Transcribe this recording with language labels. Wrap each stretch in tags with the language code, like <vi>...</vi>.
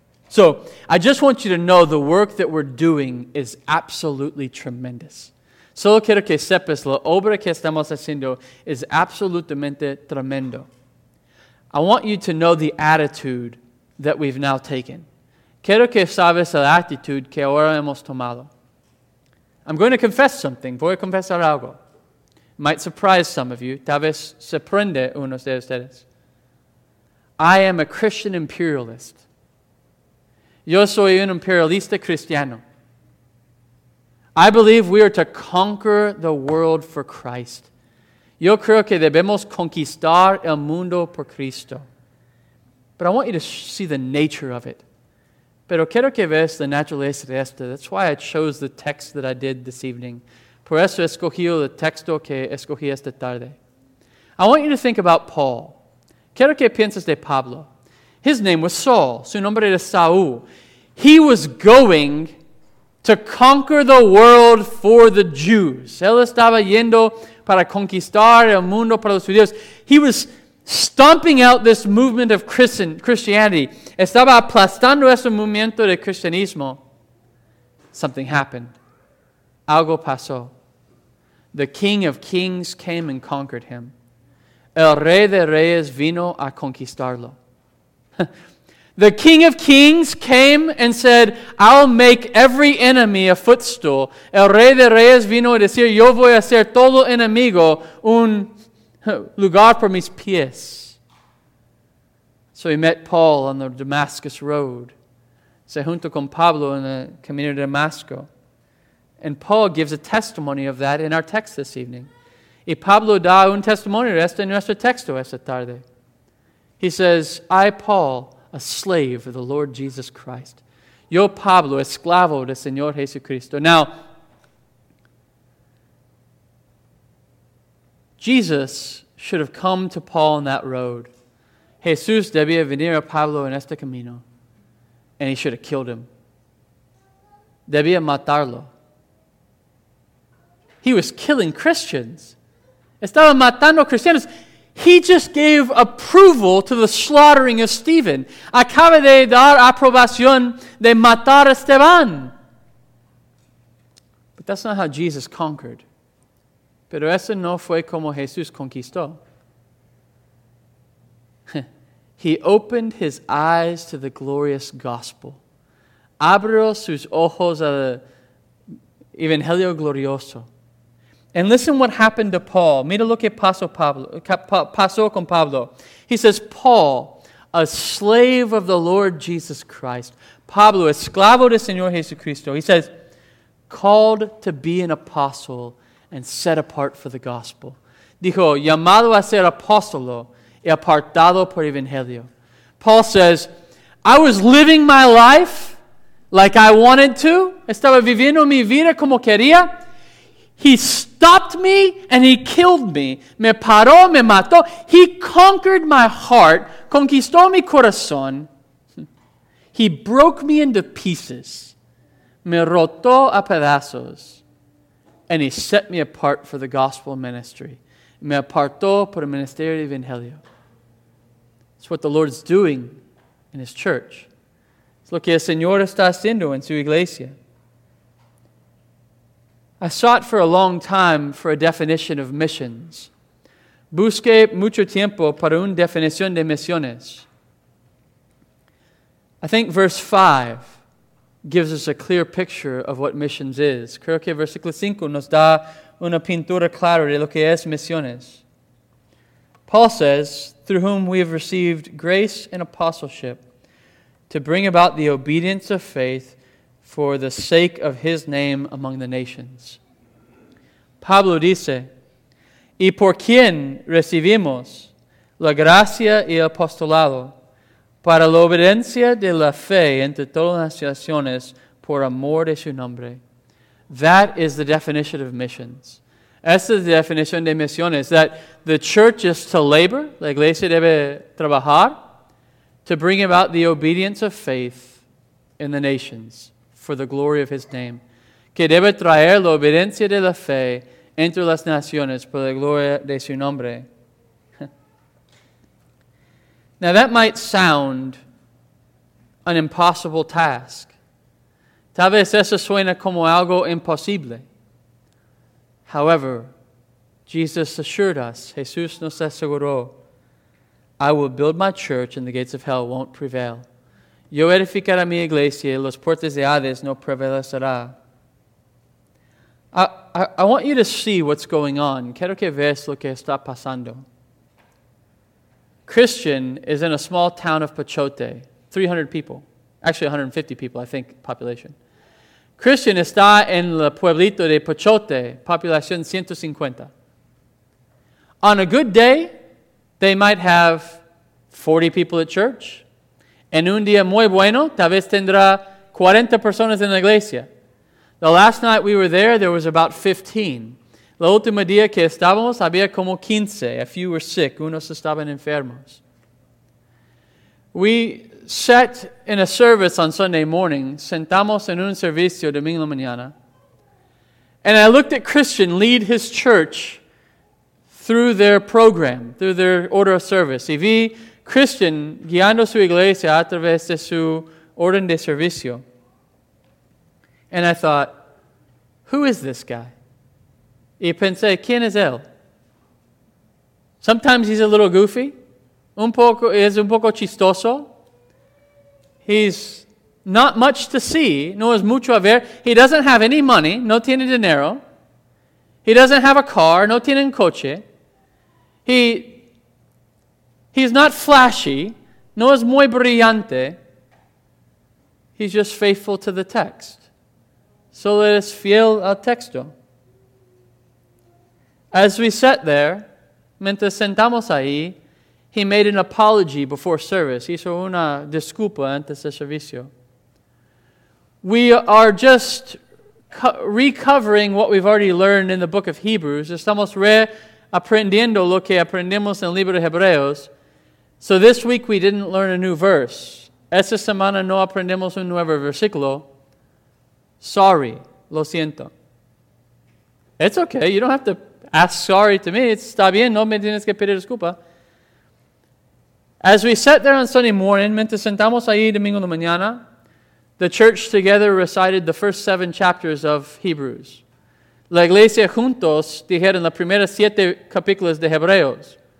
<en>So, I just want you to know the work that we're doing is absolutely tremendous.</en> <es>Solo quiero que sepas, la obra que estamos haciendo es absolutamente tremendo.</es> <en>I want you to know the attitude that we've now taken.</en> <es>Quiero que sabes la actitud que ahora hemos tomado.</es> <en>I'm going to confess something.</en> <es>Voy a confesar algo.</es> <en>Might surprise some of you.</en> <es>Tal vez sorprende unos de ustedes.</es> <en>I am a Christian imperialist.</en> <es>Yo soy un imperialista cristiano.</es> <en>I believe we are to conquer the world for Christ.</en> <es>Yo creo que debemos conquistar el mundo por Cristo.</es> <en>But I want you to see the nature of it.</en> <es>Pero quiero que veas la naturaleza de esto.</es> <en>That's why I chose the text that I did this evening.</en> <es>Por eso escogí el texto que escogí esta tarde.</es> <en>I want you to think about Paul.</en> <es>Quiero que pienses de Pablo.</es> <en>His name was Saul.</en> <es>Su nombre era Saúl.</es> <en>He was going to conquer the world for the Jews.</en> <es>Él estaba yendo para conquistar el mundo para los judíos.</es> <en>He was stomping out this movement of Christianity.</en> <es>Estaba aplastando ese movimiento de cristianismo.</es> <en>Something happened.</en> <es>Algo pasó.</es> <en>The King of Kings came and conquered him.</en> <es>El Rey de Reyes vino a conquistarlo.</es> <en>The King of Kings came and said, I'll make every enemy a footstool.</en> <es>El Rey de Reyes vino a decir, yo voy a hacer todo enemigo un lugar por mis pies.</es> <en>So he met Paul on the Damascus Road.</en> <es>Se junto con Pablo en el Camino de Damasco.</es> <en>And Paul gives a testimony of that in our text this evening.</en> <es>Y Pablo da un testimonio de esto en nuestro texto esta tarde.</es> <en>He says, I, Paul, a slave of the Lord Jesus Christ.</en> <es>Yo, Pablo, esclavo del Señor Jesucristo.</es> <en>Now, Jesus should have come to Paul on that road.</en> <es>Jesús debía venir a Pablo en este camino.</es> <en>And he should have killed him.</en> <es>Debía matarlo.</es> <en>He was killing Christians.</en> <es>Estaba matando cristianos.</es> <en>He just gave approval to the slaughtering of Stephen.</en> <es>Acaba de dar aprobación de matar a Esteban.</es> <en>But that's not how Jesus conquered.</en> <es>Pero eso no fue como Jesús conquistó.</es> <en>He opened his eyes to the glorious gospel.</en> <es>Abrió sus ojos al evangelio glorioso.</es> <en>And listen what happened to Paul.</en> <es>Mira lo que pasó con Pablo.</es> <en>He says, Paul, a slave of the Lord Jesus Christ.</en> <es>Pablo, esclavo del Señor Jesucristo.</es> <en>He says, called to be an apostle and set apart for the gospel.</en> <es>Dijo, llamado a ser apóstolo y apartado por evangelio.</es> <en>Paul says, I was living my life like I wanted to.</en> <es>Estaba viviendo mi vida como quería.</es> <en>He stopped me and he killed me.</en> <es>Me paró, me mató.</es> <en>He conquered my heart.</en> <es>Conquistó mi corazón.</es> <en>He broke me into pieces.</en> <es>Me rotó a pedazos.</es> <en>And he set me apart for the gospel ministry.</en> <es>Me apartó por el ministerio de evangelio.</es> <en>It's what the Lord is doing in his church.</en> <es>Es lo que el Señor está haciendo en su iglesia.</es> <en>I sought for a long time for a definition of missions.</en> <es>Busqué mucho tiempo para una definición de misiones.</es> <en>I think verse 5 gives us a clear picture of what missions is.</en> <es>Creo que versículo 5 nos da una pintura clara de lo que es misiones.</es> <en>Paul says, through whom we have received grace and apostleship to bring about the obedience of faith for the sake of his name among the nations.</en> <es>Pablo dice, y por quien recibimos la gracia y el apostolado para la obediencia de la fe entre todas las naciones por amor de su nombre.</es> <en>That is the definition of missions.</en> <es>Esa es la definición de misiones,</es> <en>that the church is to labor,</en> <es>la iglesia debe trabajar,</es> <en>to bring about the obedience of faith in the nations for the glory of his name.</en> <es>Que debe traer la obediencia de la fe entre las naciones, por la gloria de su nombre.</es> <en>Now that might sound an impossible task.</en> <es>Tal vez eso suena como algo imposible.</es> <en>However, Jesus assured us,</en> <es>Jesus nos aseguró,</es> <en>I will build my church and the gates of hell won't prevail.</en> <es>Yo edificaré mi iglesia y los puertos de Hades no prevalecerá.</es> <en>I want you to see what's going on.</en> <es>Quiero que veas lo que está pasando.</es> <en>Christian is in a small town of Pachote, 300 people. Actually, 150 people, I think, population.</en> <es>Christian está en el pueblito de Pachote, population 150.</es> <en>On a good day, they might have 40 people at church.</en> <es>En un día muy bueno, tal vez tendrá 40 personas en la iglesia.</es> <en>The last night we were there, there was about 15.</en> <es>La última día que estábamos, había como 15.</es> <en>A few were sick.</en> <es>Unos estaban enfermos.</es> <en>We sat in a service on Sunday morning.</en> <es>Sentamos en un servicio domingo mañana.</es> <en>And I looked at Christian lead his church through their program, through their order of service.</en> <es>Y vi Christian guiando su iglesia a través de su orden de servicio.</es> <en>And I thought, who is this guy?</en> <es>Y pensé, ¿quién es él?</es> <en>Sometimes he's a little goofy. Es un poco chistoso. He's not much to see.</en> <es>No es mucho a ver.</es> <en>He doesn't have any money.</en> <es>No tiene dinero.</es> <en>He doesn't have a car.</en> <es>No tiene un coche.</es> <en>He's not flashy.</en> <es>No es muy brillante.</es> <en>He's just faithful to the text.</en> <es>Solo es fiel al texto.</es> <en>As we sat there,</en> <es>mientras sentamos ahí,</es> <en>he made an apology before service.</en> <es>Hizo una disculpa antes del servicio.</es> <en>We are just recovering what we've already learned in the book of Hebrews.</en> <es>Estamos reaprendiendo lo que aprendimos en el libro de Hebreos.</es> <en>So this week we didn't learn a new verse.</en> <es>Esta semana no aprendimos un nuevo versículo.</es> <en>Sorry,</en> <es>lo siento.</es> <en>It's okay, you don't have to ask sorry to me.</en> <es>Está bien, no me tienes que pedir disculpa.</es> <en>As we sat there on Sunday morning,</en> <es>mientras sentamos ahí domingo de mañana,</es> <en>the church together recited the first seven chapters of Hebrews.</en> <es>La iglesia juntos dijeron las primeras siete capítulos de Hebreos.</es>